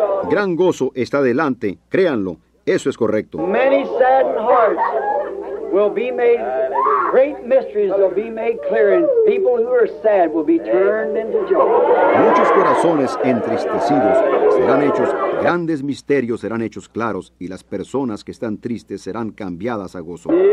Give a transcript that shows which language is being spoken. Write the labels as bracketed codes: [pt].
[es] Gran gozo está delante, créanlo, eso es correcto. [en] Many saddened hearts will be made, great mysteries will be made clear, and people who are sad will be turned into joy. [es] Muchos corazones entristecidos serán hechos, grandes misterios serán hechos claros, y las personas que están tristes serán cambiadas a gozo.